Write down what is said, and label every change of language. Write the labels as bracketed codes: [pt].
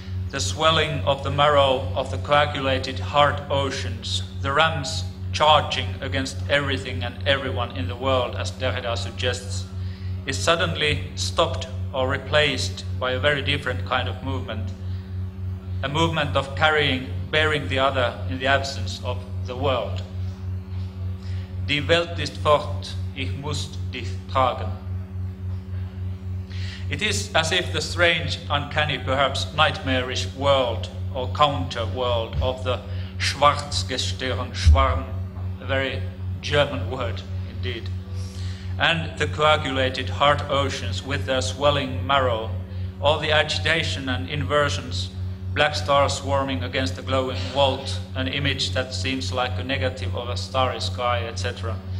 [en] the swelling of the marrow of the coagulated heart oceans, the rams charging against everything and everyone in the world, as Derrida suggests, is suddenly stopped or replaced by a very different kind of movement, a movement of carrying, bearing the other in the absence of the world. [de] Die Welt ist fort, ich muss dich tragen. [en] It is as if the strange, uncanny, perhaps nightmarish world or counter-world of the Schwarzgestirn, Schwarm, a very German word indeed, and the coagulated heart oceans with their swelling marrow, all the agitation and inversions, black stars swarming against the glowing vault, an image that seems like a negative of a starry sky, etc.